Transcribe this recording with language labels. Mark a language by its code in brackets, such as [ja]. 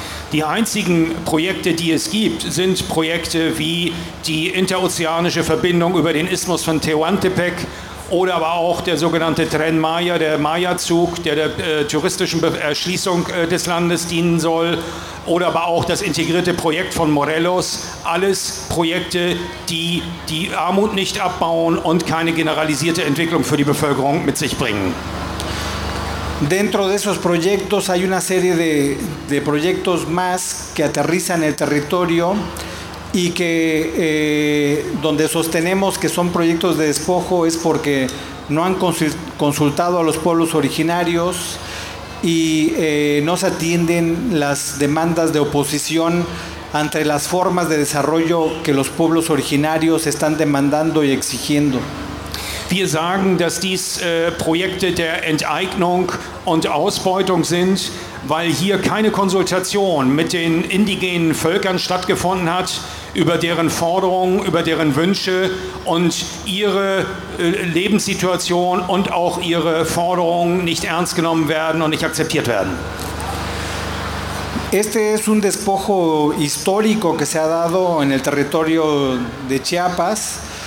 [de] Die einzigen Projekte, die es gibt, sind Projekte wie die interozeanische Verbindung über den Istmus von Tehuantepec oder aber auch der sogenannte Tren Maya, der Maya-Zug, der der touristischen Erschließung des Landes dienen soll, oder aber auch das integrierte Projekt von Morelos. Alles Projekte, die die Armut nicht abbauen und keine generalisierte Entwicklung für die Bevölkerung mit sich bringen. [es] Dentro de esos proyectos hay una serie de proyectos más que aterrizan el territorio y que donde sostenemos que son proyectos de despojo es porque no han consultado a los pueblos originarios y no se atienden las demandas de oposición ante las formas de desarrollo que los pueblos originarios están demandando y exigiendo. [de] Wir sagen, dass dies Projekte der Enteignung und Ausbeutung sind, weil hier keine Konsultation mit den indigenen Völkern stattgefunden hat über deren Forderungen, über deren Wünsche und ihre Lebenssituation und auch ihre Forderungen nicht ernst genommen werden und nicht akzeptiert werden. [es] Este es un despojo histórico que se ha dado en el territorio de Chiapas.